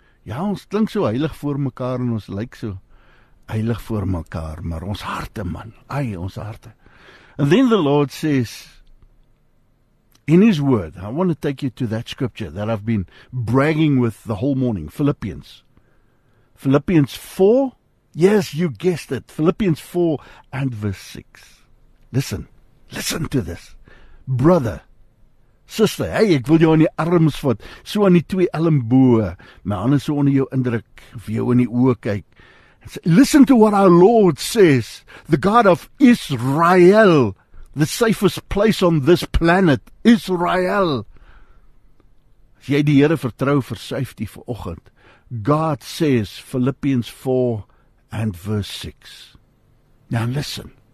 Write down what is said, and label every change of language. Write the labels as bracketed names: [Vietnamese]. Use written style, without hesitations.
[Afrikaans] Ja, ons klink so heilig voor mekaar en ons lyk so heilig voor mekaar, maar ons harte, man, ai, ons harte. [English] And then the Lord says, in his word, I want to take you to that scripture that I've been bragging with the whole morning, Philippians. Philippians 4, yes, you guessed it, Philippians 4 and verse 6. Listen, listen to this. Brother, sister, hey, [Afrikaans] ek wil jou in die arms vat, so aan die twee elmboë, my hande so onder jou indruk, vir jou in die oë kyk. [English] Listen to what our Lord says, the God of Israel. The safest place on this planet, Israel. [Afrikaans] As jy die Here vertrou vir safety vir oggend, [English] God says, Philippians 4 and verse 6. Now listen.